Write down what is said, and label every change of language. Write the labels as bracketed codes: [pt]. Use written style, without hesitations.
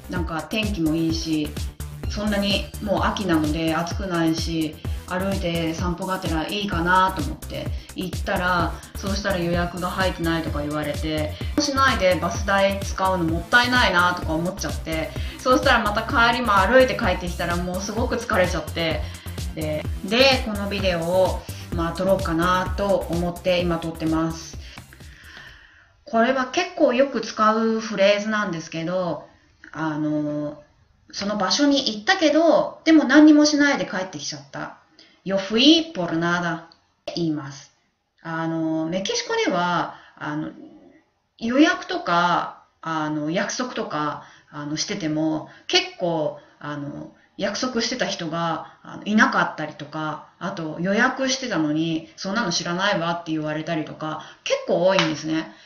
[ja] なんか天気もいいし、そんなにもう秋なので暑くないし、歩いて散歩がてらいいかなと思って行ったら、そうしたら予約が入ってないとか言われて、しないでバス代使うのもったいないなとか思っちゃって、そうしたらまた帰りも歩いて帰ってきたらもうすごく疲れちゃって、で、このビデオをまあ撮ろうかなと思って今撮ってます。これは結構よく使うフレーズなんですけど、その場所に行ったけど、でも何にもしないで帰ってきちゃった。 [es] Yo fui por nada [ja] って言います。メキシコでは予約とか約束とかしてても結構約束してた人がいなかったりとか、あと予約してたのにそんなの知らないわって言われたりとか結構多いんですね。